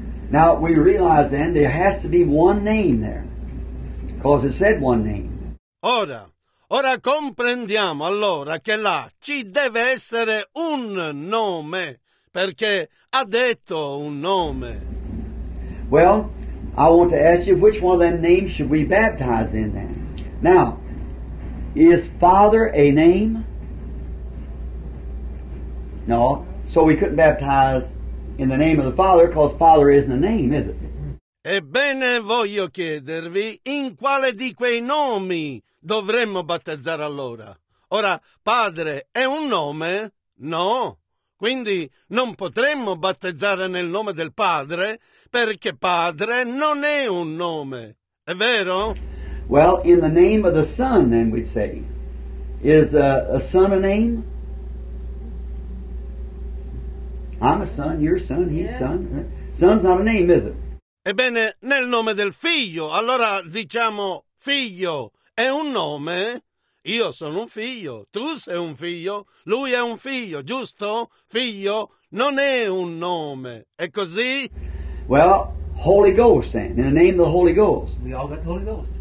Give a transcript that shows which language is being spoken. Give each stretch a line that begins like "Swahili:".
English: Now we realize then there has to be one name there, because it said one name.
Italian: Ora comprendiamo allora che là ci deve essere un nome, perché ha detto un nome.
English: Well, I want to ask you, which one of them names should we baptize in then? Now, is Father a name? No, so we couldn't baptize in the name of the Father, because Father isn't a name, is it?
Italian: Ebbene, voglio chiedervi, in quale di quei nomi dovremmo battezzare allora? Ora, Padre è un nome? No. Quindi non potremmo battezzare nel nome del Padre, perché Padre non è un nome. È vero?
English: Well, in the name of the Son, then we'd say, is a Son a name? I'm a son, your son, his son. Son's not a name, is it?
Italian: Ebbene, nel nome del Figlio, allora diciamo Figlio è un nome? Io sono un figlio, tu sei un figlio, lui è un figlio, giusto? Figlio non è un nome, è così?
English: Well, Holy Ghost then, in the name of the Holy Ghost. We all got the Holy Ghost.